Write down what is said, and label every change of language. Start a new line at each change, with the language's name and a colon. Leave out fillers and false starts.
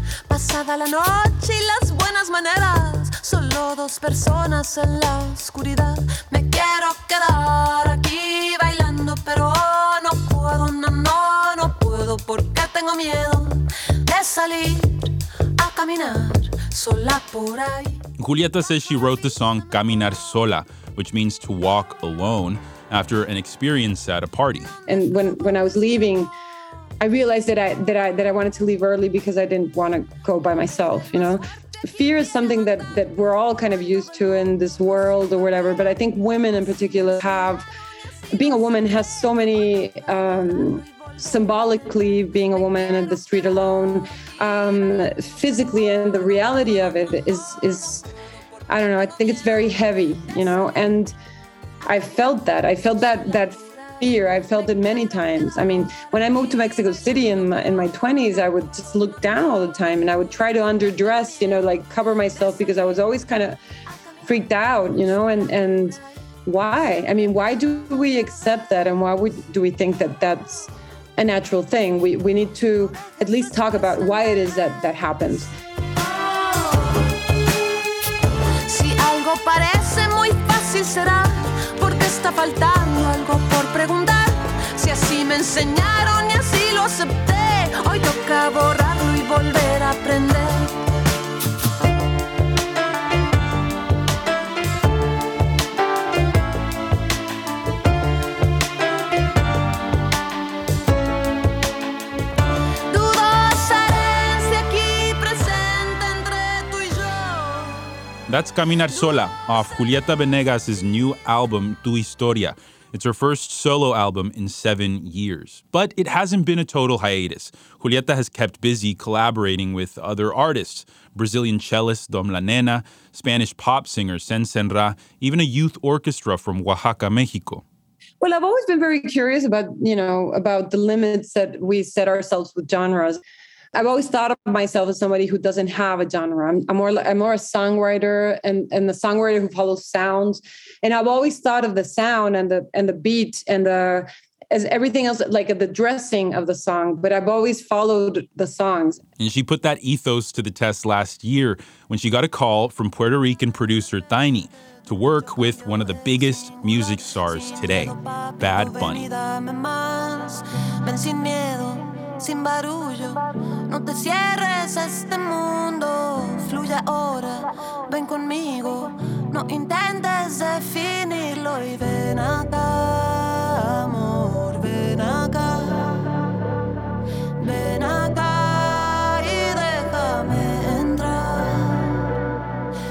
Spanish: Pasada la noche y las buenas maneras, solo dos personas en la oscuridad. Me quiero quedar aquí bailando, pero no puedo, no, no, no puedo, porque tengo miedo de salir a caminar sola por ahí.
English: Julieta says she wrote the song Caminar Sola, which means to walk alone, after an experience at a party. And when I was leaving, I realized that I wanted to leave early because I didn't want to go by myself, you know. Fear is something that we're all kind of used to in this world or whatever, but I think women in particular have, being a woman has so many, symbolically being a woman in the street alone, physically, and the reality of it is, I don't know, I think it's very heavy, you know, and I felt that. I felt that fear. I felt it many times. I mean, when I moved to Mexico City in my 20s, I would just look down all the time and I would try to underdress, you know, like cover myself because I was always kind of freaked out, you know, and why? I mean, why do we accept that? And why do we think that that's a natural thing? We need to at least talk about why it is that that happens.
Spanish: Si algo parece muy fácil será porque está faltando algo. Preguntar si así me enseñaron y así lo acepté. Hoy toca borrarlo y volver a aprender. Dudo seré si aquí presente entre tú y yo.
English: That's Caminar Sola off Julieta Venegas' new album, Tu Historia. It's her first solo album in 7 years. But it hasn't been a total hiatus. Julieta has kept busy collaborating with other artists, Brazilian cellist Dom La Nena, Spanish pop singer Sen Senra, even a youth orchestra from Oaxaca, Mexico. Well, I've always been very curious about, you know, about the limits that we set ourselves with genres. I've always thought of myself as somebody who doesn't have a genre. I'm more a songwriter and the songwriter who follows sounds. And I've always thought of the sound and the beat and the, as everything else, like the dressing of the song, but I've always followed the songs. And she put that ethos to the test last year when she got a call from Puerto Rican producer Tiny to work with one of the biggest music stars today, Bad Bunny.
Spanish: Sin barullo, no te cierres a este mundo. Fluye ahora, ven conmigo. No intentes definirlo y ven acá, amor. Ven acá, ven acá y déjame entrar.